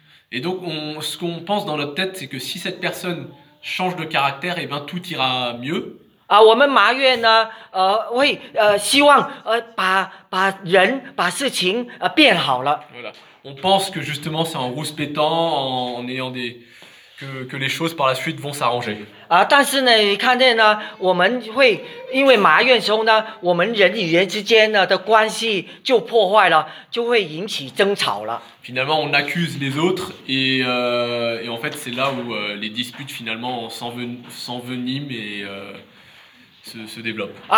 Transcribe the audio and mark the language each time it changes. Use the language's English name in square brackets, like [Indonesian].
[French] Et donc ce qu'on pense dans notre tête, c'est que si cette personne change de caractère, et ben tout ira mieux. [Chinese] 我们埋怨呢，会希望把人把事情变好了。 [French] Voilà. On pense que justement c'est en rouspétant, en ayant des que les choses par la suite vont s'arranger. [Chinese] 但是呢，你看见呢，我们会因为埋怨时候呢，我们人与人之间呢的关系就破坏了，就会引起争吵了。 [French] Finalement, on accuse les autres et en fait, c'est là où les disputes finalement s'enveniment et se développent.